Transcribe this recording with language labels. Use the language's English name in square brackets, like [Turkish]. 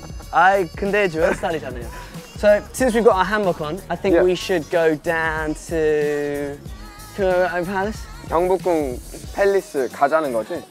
[Korean] 아이, 근데 조엘 스타일이잖아요. [English] So, since we've got our hammock on, I think we should go down to... Korean Palace? [Korean] 경복궁 팰리스 가자는 거지?